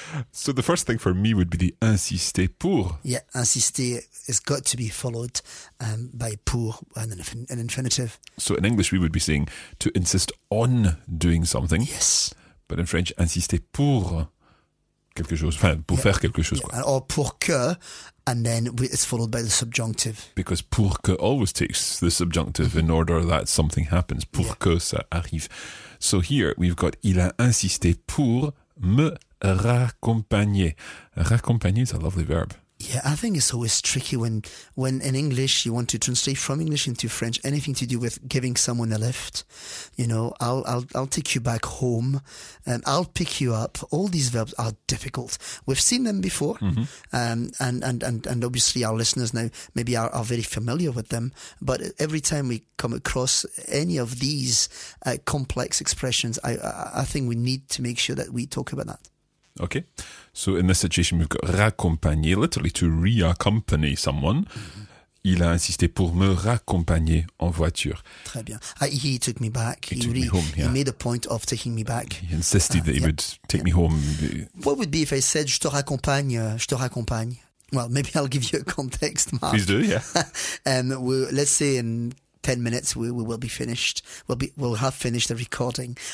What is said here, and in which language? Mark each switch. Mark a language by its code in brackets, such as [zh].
[en] So the first thing for me would be the insister pour. Yeah, insister has got to be followed by pour and an infinitive. So in English, we would be saying to insist on doing something. Yes. But in French, [fr] insister pour quelque chose, enfin, pour faire quelque chose. [en] Yeah. Or pour que, and then it's followed by the subjunctive. Because pour que always takes the subjunctive in order that something happens. [fr] Pour que ça arrive. [en] So here we've got, [fr] il a insisté pour me raccompagner. [en] Raccompagner is a lovely verb. Yeah, I think it's always tricky when in English you want to translate from English into French anything to do with giving someone a lift. You know, I'll take you back home, and I'll pick you up. All these verbs are difficult. We've seen them before, and obviously our listeners now maybe are very familiar with them. But every time we come across any of these complex expressions, I think we need to make sure that we talk about that. Okay, so in this situation, we've got raccompagner, literally to re-accompany someone. [fr] Il a insisté pour me raccompagner en voiture. Très bien. [en] He took me back. He took me home, He made a point of taking me back. He insisted that he would take me home. What would be if I said, [fr] je te raccompagne? [en] Well, maybe I'll give you a context, Mark. Please do, yeah. let's say in 10 minutes, we will be finished. We'll have finished the recording.